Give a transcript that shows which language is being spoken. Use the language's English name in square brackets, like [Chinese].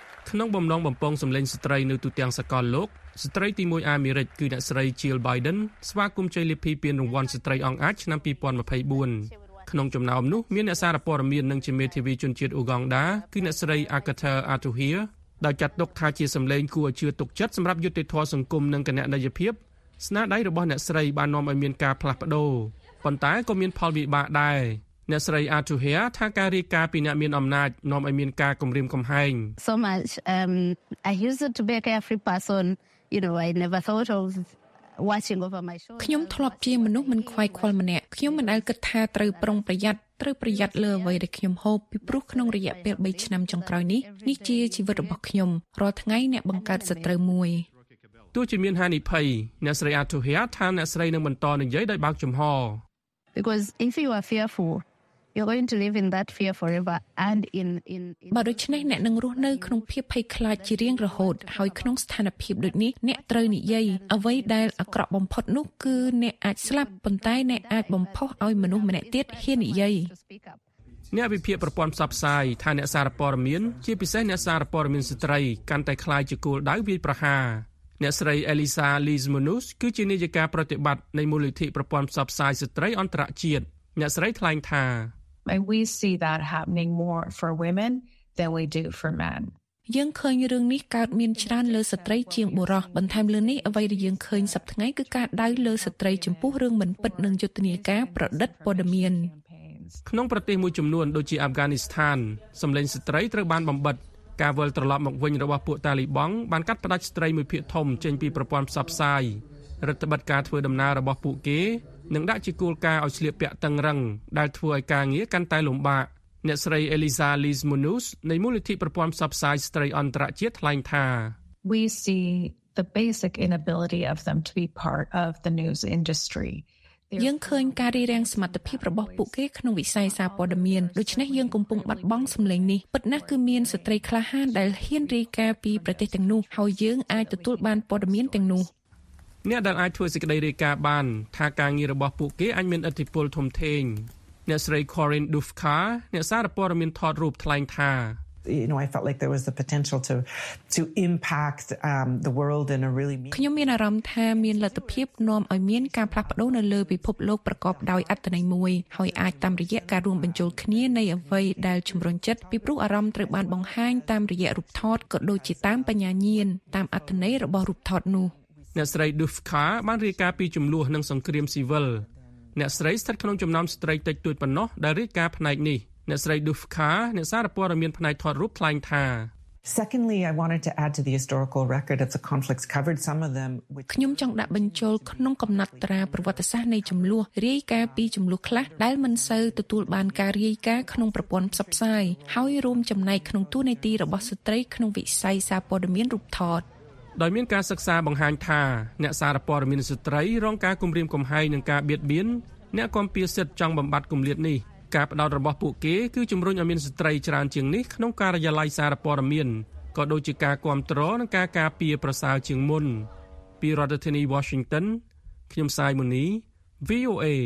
[Khmer] ក្នុងបំណងបំពង់សម្លេងស្ត្រីនៅទូទាំងសកលលោកស្ត្រីទី1អាមេរិកគឺអ្នកស្រី Jill Biden ស្វាគមន៍ជ័យលាភីពានរង្វាន់ស្ត្រីអង្គអាចឆ្នាំ2024ក្នុងចំណោមនោះមានអ្នកសារព័ត៌មាននិងជាមេធាវីជនជាតិ Uganda គឺអ្នកស្រី Agatha Atuhia ដោយចាត់ទុកថាជាសម្លេងគួរឲ្យជឿទុកចិត្តសម្រាប់យុត្តិធម៌សង្គមនិងគណនេយ្យភាពស្នាដៃរបស់អ្នកស្រីបាននាំឲ្យមានការផ្លាស់ប្ដូរប៉ុន្តែក៏មានផលវិបាកដែរអ្នកស្រីអាទូហែថាការរៀបការពីអ្នកមានអំណាចនាំឲ្យមានការគំរាមកំហែង [English] So much I used to be a carefree person you know I never thought of watching over my shoulder [Khmer] ខ្ញុំធ្លាប់ជាមនុស្សមិនខ្វាយខ្វល់ម្នាក់ខ្ញុំមិនដែលគិតថាត្រូវប្រុងប្រយ័ត្នត្រូវប្រយ័ត្នលើអ្វីដែលខ្ញុំហូបពីព្រោះក្នុងរយៈពេល3ឆ្នាំចុងក្រោយនេះនេះជាជីវិតរបស់ខ្ញុំរាល់ថ្ងៃអ្នកបង្កើតសត្រូវមួយ ទោះជាមានហានិភ័យអ្នកស្រីអាទូហែថាអ្នកស្រីនឹងបន្តនិយាយដោយបើកចំហ [English] Because if you are fearful you're going to live in that fear forever and in [Khmer] បើដូច្នេះអ្នកនឹងរស់នៅក្នុងភាពភ័យខ្លាចជារៀងរហូតហើយក្នុងស្ថានភាពដូចនេះអ្នកត្រូវនិយាយអ្វីដែលអាក្រក់បំផុតនោះគឺអ្នកអាចស្លាប់ប៉ុន្តែអ្នកអាចបំផុសឲ្យមនុស្សម្នាក់ទៀតហ៊ាននិយាយ អ្នកវិភាគប្រព័ន្ធផ្សព្វផ្សាយថាអ្នកសារព័ត៌មានជាពិសេសអ្នកសារព័ត៌មានស្ត្រីកាន់តែខ្លាចជាគោលដៅវាយប្រហារអ្នកស្រីអេលីសាលីសមូនូសគឺជានាយិកាប្រតិបត្តិនៃមូលនិធិប្រព័ន្ធផ្សព្វផ្សាយស្ត្រីអន្តរជាតិអ្នកស្រីថ្លែងថា [English] We see that happening more for women than we do for men. [Khmer] យើងឃើញរឿងនេះកើតមានច្រើនលើស្ត្រីជាងបុរសបន្ថែមលើនេះអ្វីដែលយើងឃើញសព្វថ្ងៃគឺការដៅលើស្ត្រីចំពោះរឿងមិនពិតនិងយុទ្ធនាការប្រឌិតព័ត៌មាន ក្នុងប្រទេសមួយចំនួនដូចជាអាហ្វហ្គានីស្ថានសម្លេងស្ត្រីត្រូវបានបំបិតការវល់ត្រឡប់មកវិញរបស់ពួកតាលីបង់បានកាត់ផ្តាច់ស្ត្រីមួយភាគធំចេញពីប្រព័ន្ធផ្សព្វផ្សាយរដ្ឋបတ်ការធ្វើដំណើររបស់ពួកគេនឹងដាក់ជាគោលការណ៍ឲ្យស្លៀកពាក់តឹងរឹងដែលធ្វើឲ្យការងារកាន់តែលំបាកអ្នកស្រីអេលីសាលីសមូនូសនៃមូលនិធិប្រព័ន្ធផ្សព្វផ្សាយស្ត្រីអន្តរជាតិថ្លែងថា [English] We see the basic inability of them to be part of the news industry [Khmer] យើងឃើញការរារាំងសមត្ថភាពរបស់ពួកគេក្នុងវិស័យសារព័ត៌មានដូច្នេះយើងកំពុងបាត់បង់សម្លេងនេះពិតណាស់គឺមានស្ត្រីខ្លះហានដែលហ៊ានរាយការណ៍ពីប្រទេសទាំងនោះហើយយើងអាចទទួលបានព័ត៌មានទាំងនោះ អ្នកដែលអាចធ្វើសេចក្តីរាយការណ៍បានថាការងាររបស់ពួកគេអាចមានឥទ្ធិពលធំធេងអ្នកស្រី Corin Dufka អ្នកសារព័ត៌មានថតរូបថ្លែងថា [English] You know, I felt like there was the potential to impact the world in a really meaningful way. [Khmer] ខ្ញុំមានអារម្មណ៍ថាមានលទ្ធភាពនាំឲ្យមានការផ្លាស់ប្ដូរនៅលើពិភពលោកប្រកបដោយអត្តន័យមួយហើយអាចតាមរយៈការរួមបញ្ចូលគ្នានៃអ្វីដែលជំរុញចិត្តពីព្រោះអារម្មណ៍ត្រូវបានបង្ហាញតាមរយៈរូបថតក៏ដូចជាតាមបញ្ញាញាណតាមអត្តន័យរបស់រូបថតនោះ អ្នកស្រី Dufka បានរៀបការពីចំនួននឹងសង្គ្រាមស៊ីវិលអ្នកស្រីស្ថិតក្នុងចំណោមស្ត្រីតិចតួចប៉ុណ្ណោះដែលរៀបការផ្នែកនេះអ្នកស្រី Dufka អ្នកសារព័ត៌មានផ្នែកថតរូបថ្លែងថា [English] Secondly I wanted to add to the historical record of the conflicts covered some of them [Khmer] ខ្ញុំចង់ដាក់បញ្ចូលក្នុងកំណត់ត្រាប្រវត្តិសាស្ត្រនៃចំនួនរាយការណ៍ពីចំនួនខ្លះដែលមិនសូវទទួលបានការរាយការណ៍ក្នុងប្រព័ន្ធផ្សព្វផ្សាយហើយរួមចំណែកក្នុងទូនីតិរបស់ស្ត្រីក្នុងវិស័យសារព័ត៌មានរូបថត ដោយមានការសិក្សាបង្ហាញថាអ្នកសារព័ត៌មានស្ត្រីរងការគំរាមកំហែងនិងការបៀតបៀនអ្នកគាំពារសិទ្ធិចង់បំបត្តិគម្លាតនេះការផ្តោតរបស់ពួកគេគឺជំរុញឲ្យមានស្ត្រីច្រើនជាងនេះក្នុងការិយាល័យសារព័ត៌មានក៏ដូចជាការគាំទ្រនិងការការពារប្រសើរជាងមុនពីរដ្ឋធានី Washington ខ្ញុំសាយមូនី VOA